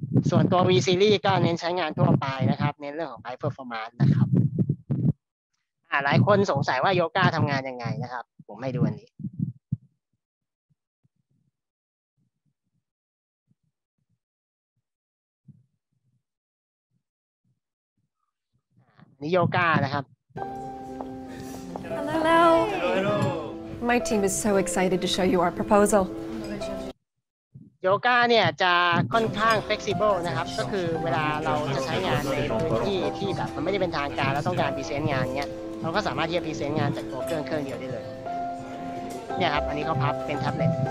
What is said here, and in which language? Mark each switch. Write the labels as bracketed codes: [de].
[th] ส่วนตัว V series ก็เน้นใช้งานทั่วไปนะครับเน้นเรื่องของ [en] high performance [th] นะครับหลายคนสงสัยว่าโยก้าทำงานยังไงนะครับผมให้ดูอันนี้นิโยก้านะครับ [en] Hello. Hello. My team is so excited to show you our proposal. [th] โยก้าเนี่ยจะค่อนข้าง flexible นะครับก็คือเวลาเราจะใช้งานในพื้นที่ที่แบบมันไม่ได้เป็นทางการแล้วต้องการพรีเซนต์งานเนี่ยเราก็สามารถที่จะพรีเซนต์งานจากตัวเครื่องเดียวได้เลยเนี่ยครับอันนี้เขาพับเป็นแท็บเล็ต